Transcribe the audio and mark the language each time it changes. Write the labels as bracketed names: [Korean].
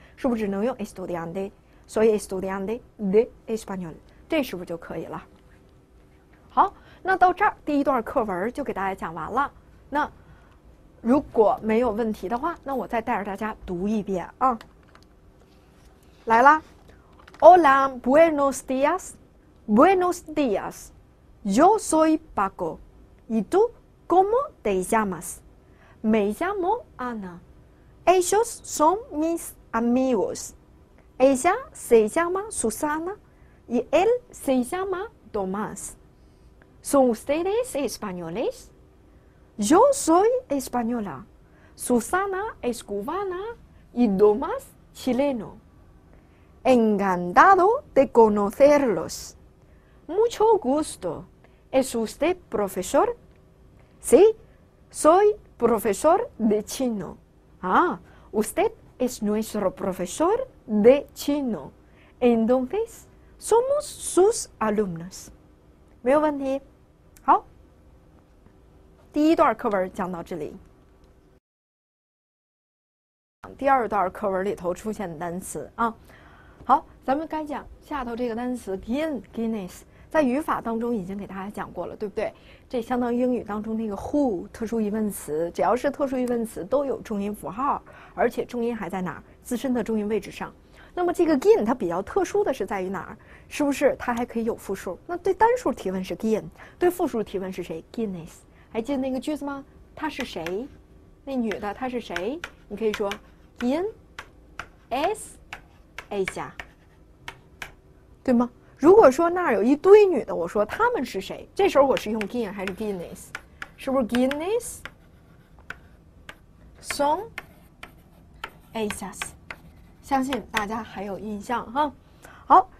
[Chinese] 是不是只能用 estudiante？ 所以 [Spanish] estudiante de español， [Chinese] 这是不是就可以了？好，那到这儿第一段课文就给大家讲完了。那如果没有问题的话，那我再带着大家读一遍啊。来啦 [Spanish] ，Hola， Buenos días， Buenos días， Yo soy Paco， ¿Y tú cómo te llamas？ Me llamo Ana， Ellos son mis amigos， Ella se llama Susana y él se llama Tomás。 ¿Son ustedes españoles？ Yo soy española. Susana es cubana y Tomás chileno. Encantado de conocerlos. Mucho gusto. ¿Es usted profesor? Sí, soy profesor de chino. Ah, usted es nuestro profesor de chino. Entonces, somos sus alumnos. ¿Me oyen? [Chinese] 第一段课文讲到这里，第二段课文里头出现的单词啊，好，咱们该讲下头这个单词 Guinness， 在语法当中已经给大家讲过了，对不对？这相当于英语当中那个 who 特殊疑问词，只要是特殊疑问词都有重音符号，而且重音还在哪儿？自身的重音位置上。那么这个 gin 它比较特殊的是在于哪儿？是不是它还可以有复数？那对单数提问是 gin， 对复数提问是谁？ Guinness。 还记得那个句子吗？她是谁？那女的她是谁？你可以说 ， [Spanish] ¿Quién es ella？ [Chinese] 对吗？如果说那儿有一堆女的，我说她们是谁？这时候我是用 ¿Quién 还是 Guinness？是不是 [Spanish] Guinness son ellas？ [Chinese] 相信大家还有印象哈。好，